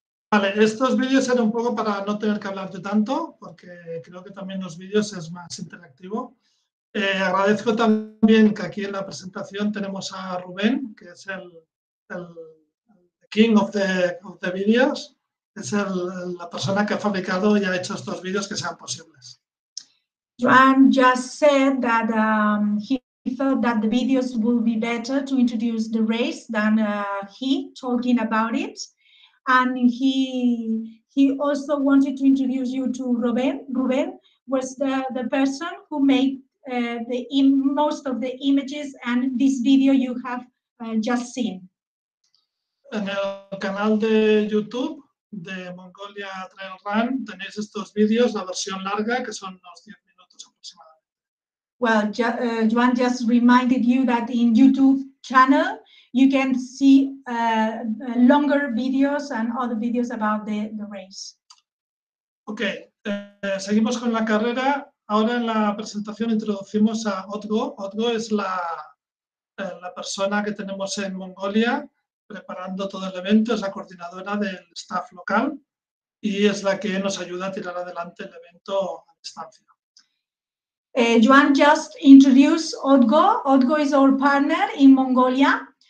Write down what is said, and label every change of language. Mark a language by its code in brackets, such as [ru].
[es] Vale, estos vídeos eran un poco para no tener que hablar de tanto, porque creo que también los vídeos es más interactivo. Agradezco también que aquí en la presentación tenemos a Rubén, que es el [en] king of the videos. [es] Es la persona que ha fabricado y ha hecho estos vídeos que sean posibles. [en] Joan just said that he felt that the videos will be better to introduce the race than he talking about it. And he also wanted to introduce you to Ruben. Ruben was the person who made most of the images and this video you have just seen. [es] En el canal de YouTube de Mongolia Trail Run tenéis estos vídeos, la versión larga, que son unos 10 minutos aproximadamente. [en] Well, Joan just reminded you that in YouTube channel, you can see longer videos and other videos about the race. [es] Okay, seguimos con la carrera. Ahora en la presentación introducimos a Otgo. Otgo es la persona que tenemos en Mongolia preparando todo el evento, es la coordinadora del staff local y es la que nos ayuda a tirar adelante el evento a distancia. [en] Joan just introduced Otgo. Otgo is our partner in Mongolia.